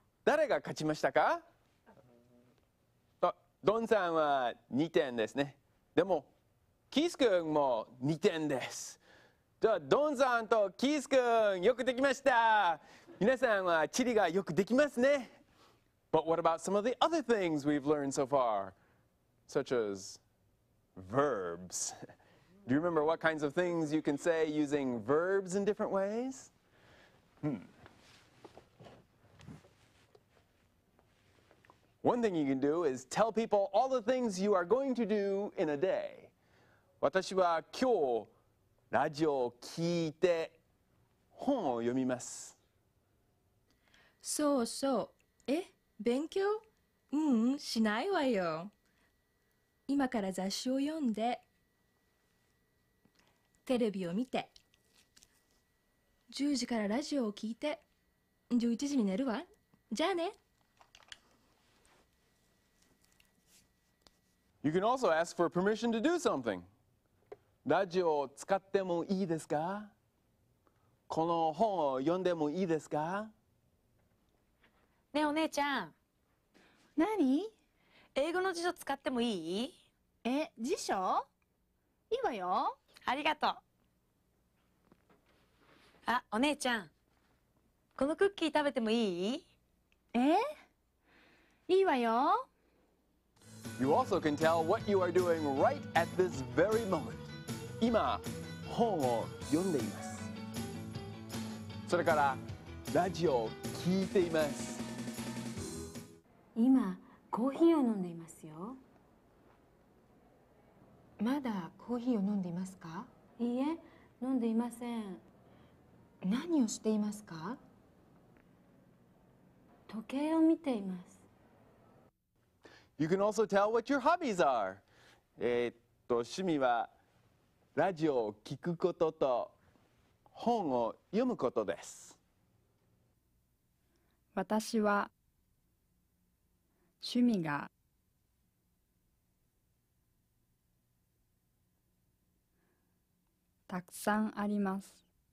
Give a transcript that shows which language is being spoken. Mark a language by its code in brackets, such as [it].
[ja] 誰が勝ちましたか？ドンさんは2点ですね。でもキース君も2点です。じゃあドンさんとキース君、よくできました。皆さんはチリがよくできますね。 [en] But what about some of the other things we've learned so far? Such as verbs. Do you remember what kinds of things you can say using verbs in different ways? One thing you can do is tell people all the things you are going to do in a day. [ja] 私は今日ラジオを聞いて本を読みます。そうそう。え、勉強？ううん、しないわよ。今から雑誌を読んで、テレビを見て、10時からラジオを聞いて、11時に寝るわ。じゃあね。 [en] You can also ask for permission to do something. [ja] ラジオを使ってもいいですか？この本を読んでもいいですか？ねえお姉ちゃん。何？英語の辞書使ってもいい？え、辞書？いいわよ。ありがとう。あ、お姉ちゃん。このクッキー食べてもいい？え？いいわよ。 [en] You also can tell what you are doing right at this very moment. [ja] 今、本を読んでいます。それから、ラジオを聞いています。今、コーヒーを飲んでいますよ。まだコーヒーを飲んでいますか？いいえ、飲んでいません。何をしていますか？時計を見ています。 [en] You can also tell what your hobbies are. [ja] 趣味は、ラジオを聞くことと、本を読むことです。私は、趣味が たくさんあります。